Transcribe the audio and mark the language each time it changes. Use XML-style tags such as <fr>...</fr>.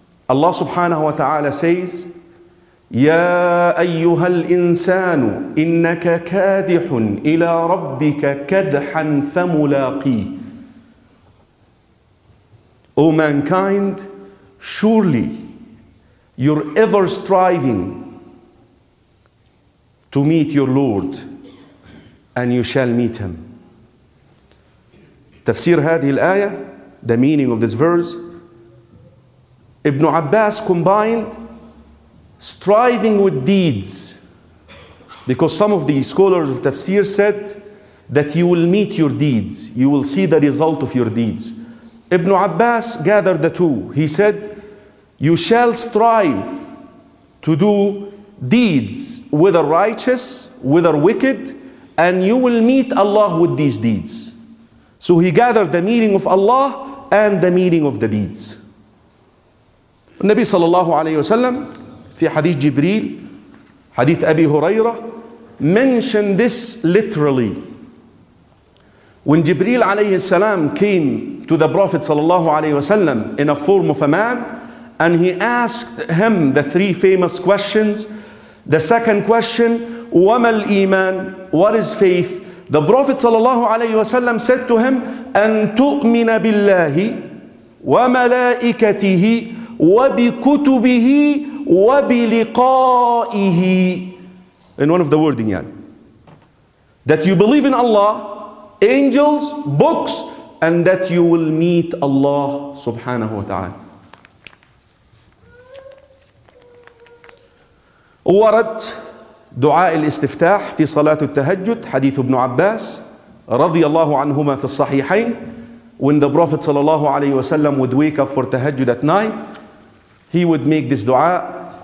<ar>الله سبحانه وتعالى says, يا أيها الإنسان إنك كادح إلى ربك كدحا فملاقيه.</ar> <en>O mankind, surely you're ever striving to meet your Lord, and you shall meet him.</en> <ar>تفسير هذه الآية,</ar> <en>the meaning of this verse, Ibn Abbas combined striving with deeds, because some of the scholars of tafsir said that you will meet your deeds, you will see the result of your deeds. Ibn Abbas gathered the two. He said, you shall strive to do deeds, whether righteous, whether wicked, and you will meet Allah with these deeds. So he gathered the meaning of Allah and the meaning of the deeds.</en> <ar>النبي صلى الله عليه وسلم في حديث جبريل, حديث أبي هريرة,</ar> <en>mentioned this literally. When جبريل عليه السلام came to the Prophet صلى الله عليه وسلم in a form of a man, and he asked him the three famous questions. The second question,</en> <ar>وما الإيمان?</ar> <en>What is faith? The Prophet صلى الله عليه وسلم said to him,</en> <ar>أن تؤمن بالله وملائكته وبكتبه وبلقائه.</ar> <en>In one of the wording, that you believe in Allah, angels, books, and that you will meet Allah subhanahu wa ta'ala.</en> <ar>ورد دعاء الاستفتاح في صلاة التهجد حديث ابن عباس رضي الله عنهما في الصحيحين.</ar> <en>When the Prophet صلى الله عليه وسلم would wake up for tahajjud at night, he would make this دعاء.</en>